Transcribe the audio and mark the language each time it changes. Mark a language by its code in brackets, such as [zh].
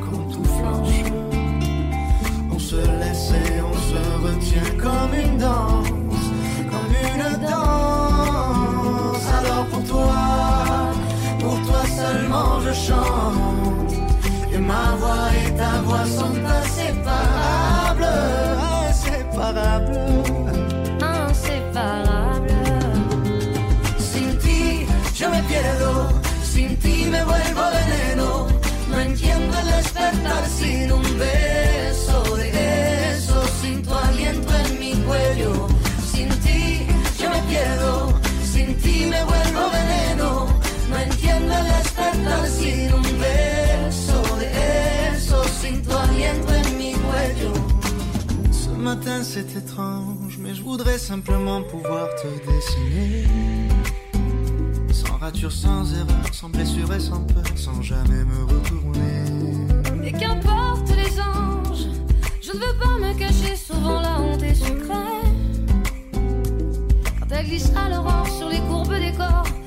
[fr] Quand tout flanche, on se laisse et on se retient comme une danse, comme une danse. Alors pour toi, pour toi seulement je chante, et ma voix et ta voix sont inséparables, inséparables, inséparables. [es] Sin ti yo me pierdo, sin ti me vuelvo veneno, no entiendo el despertar sin un beso de eso, sin tu aliento en mi cuello. Sin ti yo me pierdo, sin ti me vuelvo veneno, no entiendo el despertar sin un beso de eso, sin tu aliento en mi cuello. [fr] Ce matin c'est étrange, mais je voudrais simplement pouvoir te dessiner sans rature, sans erreur, sans blessure et sans peur, sans jamais me retourner. Et qu'importe les anges, je ne veux pas me cacher, souvent la honte est secrète quand elle glisse à l'orange sur les courbes des corps.